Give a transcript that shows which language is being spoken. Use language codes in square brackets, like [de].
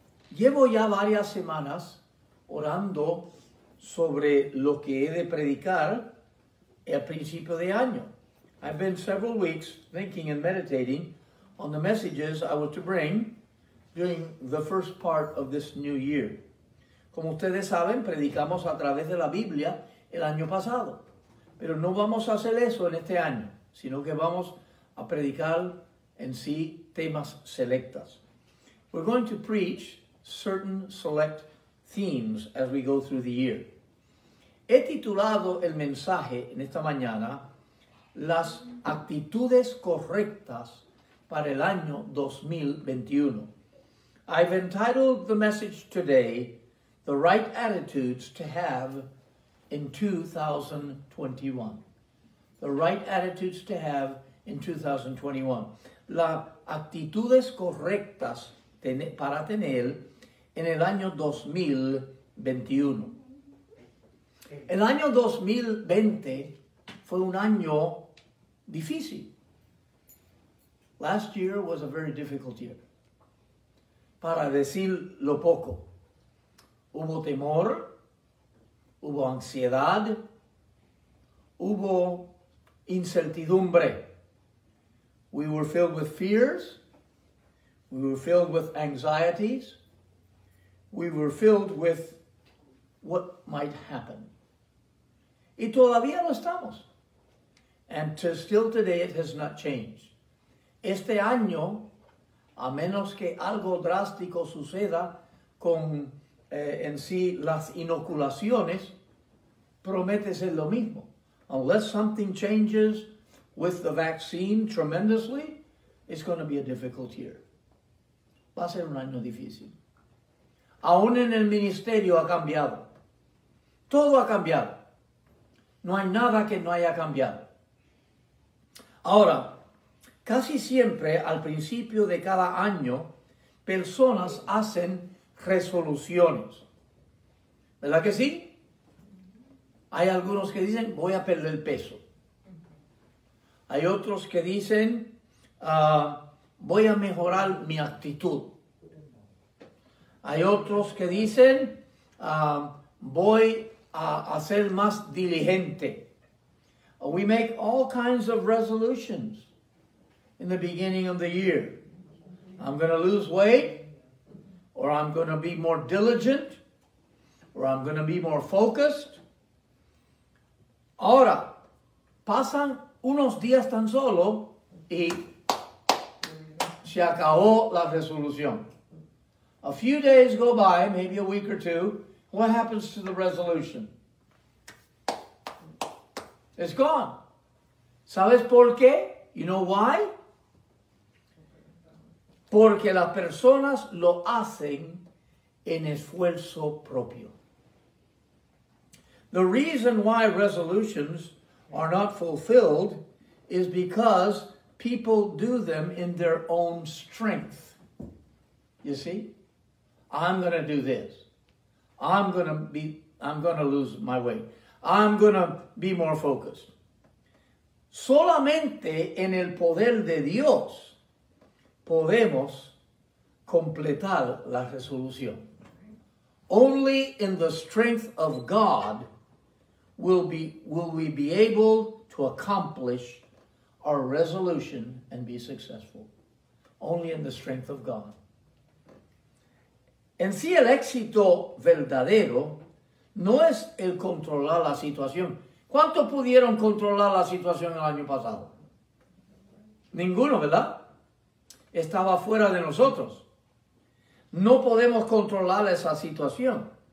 [es] Llevo ya varias semanas orando sobre lo que he de predicar al principio de año. [en] I've been several weeks thinking and meditating on the messages I was to bring during the first part of this new year. [es] Como ustedes saben, predicamos a través de la Biblia el año pasado. Pero no vamos a hacer eso en este año, sino que vamos a predicar en sí temas selectas. [en] We're going to preach certain select themes as we go through the year. [es] He titulado el mensaje en esta mañana, Las actitudes correctas para el año 2021. [en] I've entitled the message today, The Right Attitudes to Have in 2021. The Right Attitudes to Have in 2021. [es] Las actitudes correctas para tener en el año 2021. El año 2020 fue un año difícil. [en] Last year was a very difficult year. [es] Para decir lo poco, hubo temor, hubo ansiedad, hubo incertidumbre. [en] We were filled with fears. We were filled with anxieties. We were filled with what might happen. [es] Y todavía lo estamos. [en] And to still today, it has not changed. [es] Este año, a menos que algo drástico suceda con en sí las inoculaciones, promete ser lo mismo. [en] Unless something changes with the vaccine tremendously, it's going to be a difficult year. [es] Va a ser un año difícil. Aún en el ministerio ha cambiado. Todo ha cambiado. No hay nada que no haya cambiado. Ahora, casi siempre al principio de cada año, personas hacen resoluciones. ¿Verdad que sí? Hay algunos que dicen, voy a perder el peso. Hay otros que dicen, voy a mejorar mi actitud. Hay otros que dicen, voy a ser más diligente. [en] We make all kinds of resolutions in the beginning of the year. I'm going to lose weight, or I'm going to be more diligent, or I'm going to be more focused. [es] Ahora, pasan unos días tan solo y se acabó la resolución. [en] A few days go by, maybe a week or two. What happens to the resolution? It's gone. [es] ¿Sabes por qué? [en] You know why? [es] Porque las personas lo hacen en esfuerzo propio. [en] The reason why resolutions are not fulfilled is because people do them in their own strength. You see? I'm going to do this. I'm going to lose my weight. I'm going to be more focused. [es] Solamente en el poder de Dios podemos completar la resolución. [en] Only in the strength of God will we be able to accomplish our resolution and be successful. Only in the strength of God. [es] En sí, el éxito verdadero no es el controlar la situación. ¿Cuántos pudieron controlar la situación el año pasado? Ninguno, ¿verdad? Estaba fuera de nosotros. No podemos controlar esa situación.